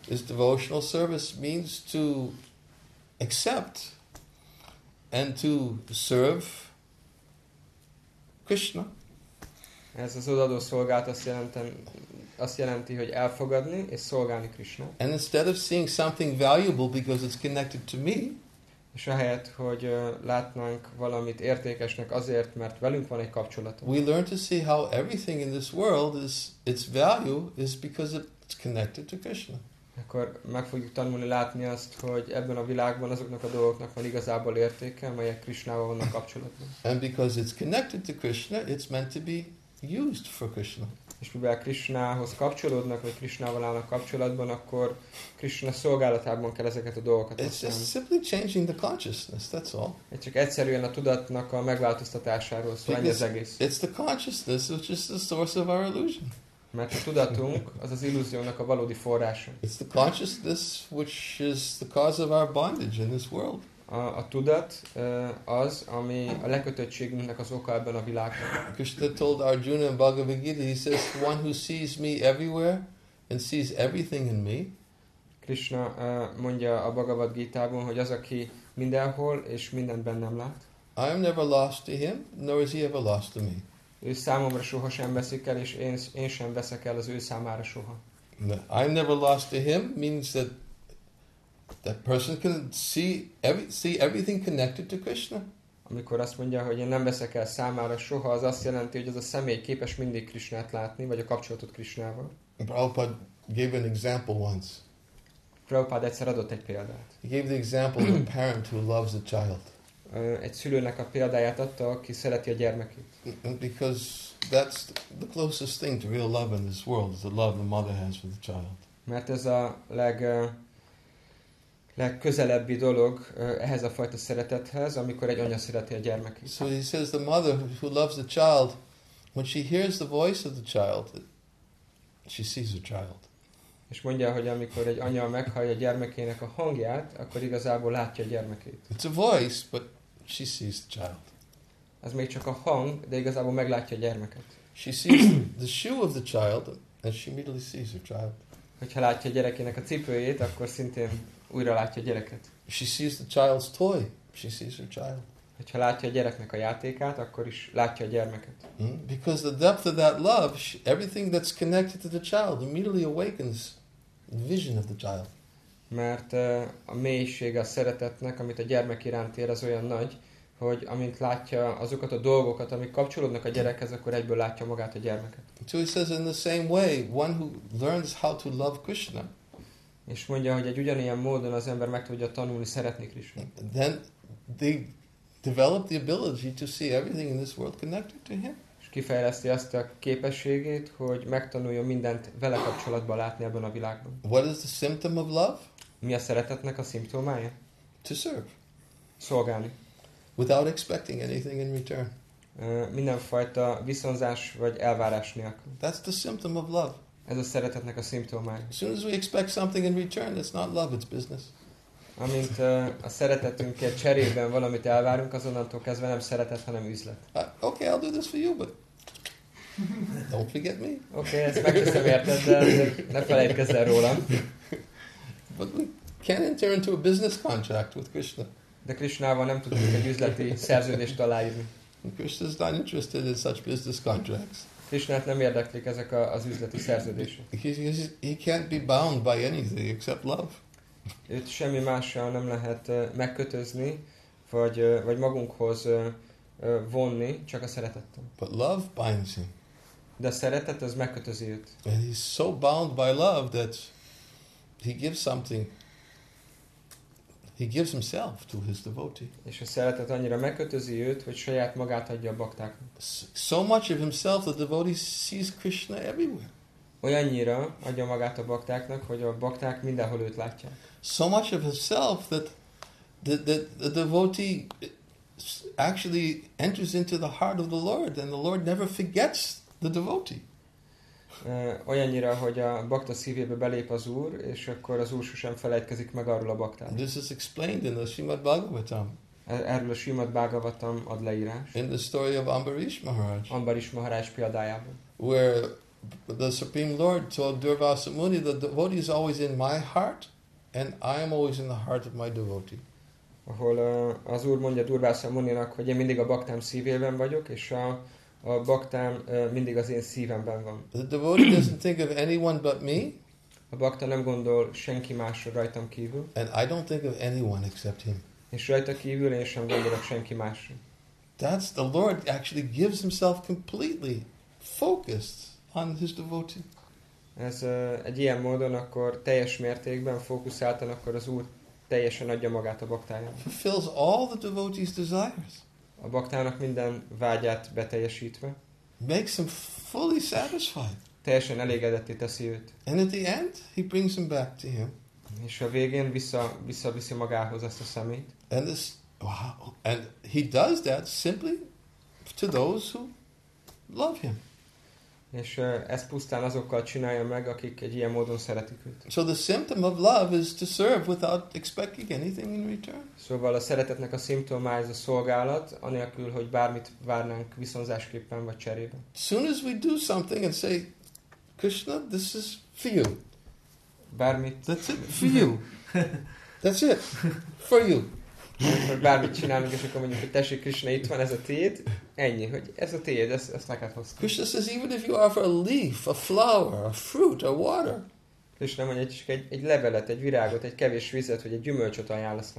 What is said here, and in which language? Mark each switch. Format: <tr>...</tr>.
<en>This devotional service means to accept and to serve Krishna.</en> <hu>Ez az odaadó szolgálat azt jelenti, hogy elfogadni és szolgálni Krishna.</hu> <en>And instead of seeing something valuable because it's connected to me,</en> <hu>és ahelyett, hogy látnánk valamit értékesnek azért, mert velünk van egy kapcsolata.</hu> <en>We learn to see how everything in this world is its value is because it's connected to Krishna.</en> <hu>Akkor meg fogjuk tanulni látni azt, hogy ebben a világban azoknak a dolgoknak van igazából értéke, amelyek Krishnával vannak kapcsolatban.</hu> <en>And because it's connected to Krishna, it's meant to be used for Krishna.</en> <hu>És mivel Krishnához kapcsolódnak, vagy Krishnával állnak kapcsolatban, akkor Krishna szolgálatában kell ezeket a dolgokat használni.</hu> <en>It's just simply changing the consciousness, that's all.</en> <hu>Ez csak egyszerűen a tudatnak a megváltoztatásáról szól, ennyi az egész.</hu> <en>It's the consciousness which is the source of our illusion.</en> <hu>Mert a tudatunk az az illúziónak a valódi forrása.</hu> <en>It's the consciousness which is the cause of our bondage in this world.</en> <hu>A tudat az, ami a lekötöttségünknek az oka ebben a világban.</hu> <en>Krishna told Arjuna in Bhagavad Gita, he says, one who sees me everywhere and sees everything in me.</en> <hu>Krishna mondja a Bhagavad Gita-ban, hogy az, aki mindenhol és mindent bennem lát.</hu> <en>I am never lost to him, nor is he ever lost to me.</en> <hu>Ő számomra soha sem veszik el, és én sem veszek el az ő számára soha.</hu> <en>No, I never lost to him means that that person can see everything connected to Krishna.</en> <hu>Amikor azt mondja, hogy én nem veszek el számára soha, az azt jelenti, hogy az a személy képes mindig Krishnát látni, vagy a kapcsolatot Krishnával.</hu> <en>Prabhupada gave an example once.</en> <hu>Prabhupada egyszer adott egy példát.</hu> <en>He gave the example of a parent who loves a child.</en> <hu>Egy szülőnek a példáját adta, aki szereti a gyermekét.</hu> <en>Because that's the closest thing to real love in this world is the love the mother has for the child.</en> <hu>Mert ez a legközelebbi dolog ehhez a fajta szeretethez, amikor egy anya szereti a gyermekét.</hu> <en>So he says the mother who loves the child, when she hears the voice of the child, she sees the child.</en> <hu>És mondja, hogy amikor egy anya meghallja a gyermekének a hangját, akkor igazából látja a gyermekét.</hu> <en>It's a voice, but she sees the child.</en> <hu>Ez még csak a hang, de igazából meglátja a gyermeket.</hu> <en>She sees the shoe of the child, and she immediately sees her child.</en> <hu>Hogyha látja a gyerekének a cipőjét, akkor szintén újra látja a gyereket.</hu> <en>She sees the child's toy, she sees her child.</en> <hu>Hogyha látja a gyereknek a játékát, akkor is látja a gyermeket.</hu> <en>Because the depth of that love, everything that's connected to the child immediately awakens the vision of the child.</en> <hu>Mert a mélysége a szeretetnek, amit a gyermek iránt ér, az olyan nagy, hogy amint látja azokat a dolgokat, amik kapcsolódnak a gyerekhez, akkor egyből látja magát a gyermeket.</hu> <en>So he says in the same way, one who learns how to love Krishna.</en> <hu>És mondja, hogy egy ugyanilyen módon az ember meg tudja tanulni szeretni Krishna.</hu> <en>Then they develop the ability to see everything in this world connected to him.</en> <hu>És kifejleszti azt a képességét, hogy megtanulja mindent vele kapcsolatban látni ebben a világban.</hu> <en>What is the symptom of love?</en> <hu>Mi a szeretetnek a szimptomája?</hu> <en>To serve.</en> <hu>Szolgálni.</hu> <en>Without expecting anything in return.</en> <hu>mindenfajta viszonzás vagy elvárás nélkül.</hu> <en>That's the symptom of love.</en> <hu>Ez a szeretetnek a szimptomája.</hu> <en>As soon as we expect something in return, it's not love, it's business.</en> <hu>Amint a szeretetünkért cserében valamit elvárunk, azonnantól kezdve nem szeretet, hanem üzlet.</hu> <en>Okay, I'll do this for you, but don't forget me.</en> <hu>Okay, ezt megköszönöm érted, de ne felejtkezz el rólam.</hu> <en>But we can't enter into a business contract with Krishna.</en> <hu>De Krishnával nem tudunk egy üzleti szerződést aláírni.</hu> <en>Krishna's not interested in such business contracts.</en> <hu>Krishnát nem érdeklik ezek az üzleti szerződések.</hu> <en>He can't be bound by anything except love.</en> <hu>Őt semmi mással nem lehet megkötözni, vagy magunkhoz vonni, csak a szeretettel.</hu> <en>But love binds him.</en> <hu>De a szeretet az megkötözi őt.</hu> <en>And he's so bound by love that he gives something. He gives himself to his devotee.</en> <hu>És a szeretet annyira megkötözi őt, hogy saját magát adja a baktáknak.</hu> <en>So much of himself the devotee sees Krishna everywhere.</en> <hu>Olyannyira adja magát a baktáknak, hogy a bakták mindenhol őt látják.</hu> <en>So much of himself that the devotee actually enters into the heart of the Lord, and the Lord never forgets the devotee.</en> <hu>Olyannyira, hogy a bakta szívébe belép az Úr, és akkor az Úr sosem felejtkezik meg arról a baktán.</hu> <en>This is explained in the Srimad Bhagavatam.</en> <hu>Erről a Srimad Bhagavatam ad leírás.</hu> <en>In the story of Ambarish Maharaj.</en> <hu>Ambarish Maharaj példájában.</hu> <en>Where the Supreme Lord told Durvasa Muni, the devotee is always in my heart, and I am always in the heart of my devotee.</en> <hu>Ahol az Úr mondja Durvasa Muninak, hogy én mindig a baktám szívében vagyok, és a baktám mindig az én szívemben van.</hu> <en>The devotee doesn't think of anyone but me.</en> <hu>A bakta nem gondol senki másra rajtam kívül.</hu> <en>And I don't think of anyone except him.</en> <hu>És rajta kívül én sem gondolok senki másra.</hu> <en>That's the Lord actually gives himself completely focused on his devotee.</en> <hu>Ez egy ilyen módon akkor teljes mértékben fókuszáltan akkor az Úr teljesen adja magát a baktájának.</hu> <en>Fulfills all the devotee's desires.</en> <hu>A baktának minden vágyát beteljesítve.</hu> <en>Makes him fully satisfied.</en> <hu>Teljesen elégedetté teszi őt.</hu> <en>And at the end, he brings him back to him.</en> <hu>És a végén visszaviszi magához ezt a szemét.</hu> <en>And this, wow, and he does that simply to those who love him.</en> <hu>És ezt pusztán azokkal csinálja meg, akik egy ilyen módon szeretik őt.</hu> <en>So the symptom of love is to serve without expecting anything in return.</en> <hu>Szóval a szeretetnek a szimptomája ez a szolgálat, anélkül, hogy bármit várnánk viszonzásképpen vagy cserében.</hu> <en>Soon as we do something and say, Krishna, this is for you.</en> <hu>Bármit.</hu> <en>That's it, for you. That's it, for you.</en> <hu>Amikor bármit csinálunk, és akkor mondjuk, hogy tessék, Krishna, itt van, ez a tiéd. Ennyi, hogy ez a tiéd, ezt neked hoztam.</hu> <en>Krishna says, even if you offer a leaf, a flower, a fruit, a water.</en> <hu>Krishna mondja, hogy csak egy levelet, egy virágot, egy kevés vizet, vagy egy gyümölcsöt ajánlasz</hu>